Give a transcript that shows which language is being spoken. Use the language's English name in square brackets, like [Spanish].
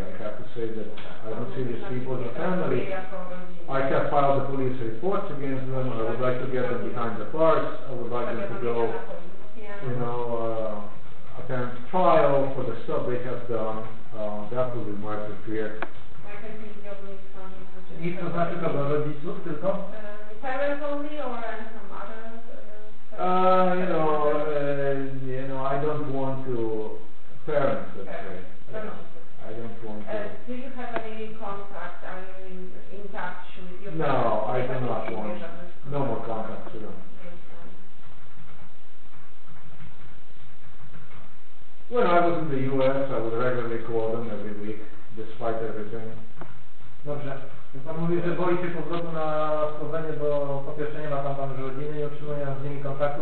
[English] I have to say that I don't see these people as a family. I have filed the police reports against them. I would like to get them behind the bars. I would like them to go, attend trial for the stuff they have done. That would be my fear. [Polish] I to znaczy to do rodziców tylko? [English] Parents only or some other? I don't want to... Parents, let's say. I don't want to... Do you have any contact? Are you in touch with your parents? No, I do not want... No more contact with them. When I was in the US, I would regularly call them every week, despite everything. [Polish] Dobrze. Pan mówi, że boi się powrotu na Słowenię, bo po pierwsze nie ma tam pan rodziny, nie utrzymuje z nimi kontaktu.